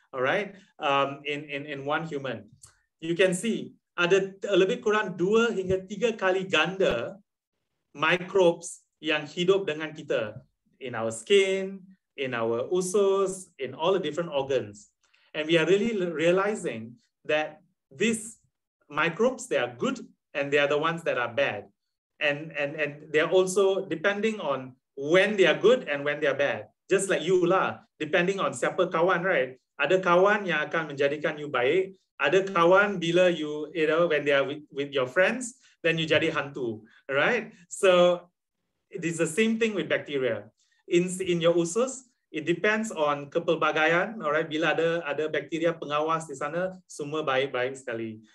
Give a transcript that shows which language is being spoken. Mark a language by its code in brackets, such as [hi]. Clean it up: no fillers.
[en] All right, in one human, you can see [ms] ada lebih kurang 2 hingga 3 kali ganda microbes yang hidup dengan kita [en] in our skin, in our usus, in all the different organs. And we are really realizing that these microbes, they are good and they are the ones that are bad. And they are also depending on when they are good and when they are bad. Just like you lah, depending on [ms] siapa kawan, [en] right? [ms] Ada kawan yang akan menjadikan you baik. Ada kawan bila [en] you, you know, when they are with your friends, then you [ms] jadi hantu, [en] right? So it is the same thing with bacteria. In your usus, it depends on kepelbagaian, alright. [ms] Bila ada bakteria pengawas di sana, semua baik-baik sekali.